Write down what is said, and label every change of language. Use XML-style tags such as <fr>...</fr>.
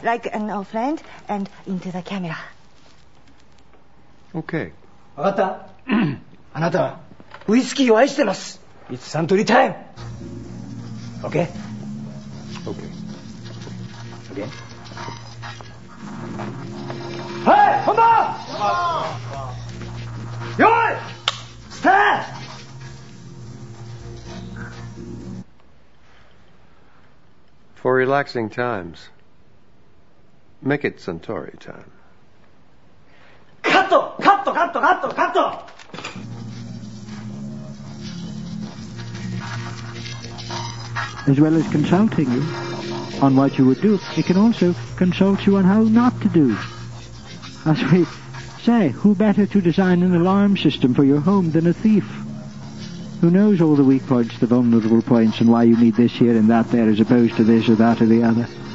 <en>Like an old friend, and into the camera. Okay.</en> <ja>わかった。あなたはウイスキーを愛してます。</ja> <en>It's Suntory time! Okay? Okay. Okay?</en> <ja>はい、本番。よーい、スタート。</ja> <en>For relaxing times, make it Suntory time.</en> <ja>カット、カット、カット、カット、カット。</ja> <en>As well as consulting you on what you would do, it can also consult you on how not to do. As we say, who better to design an alarm system for your home than a thief? Who knows all the weak points, the vulnerable points, and why you need this here and that there, as opposed to this or that or the other?</en>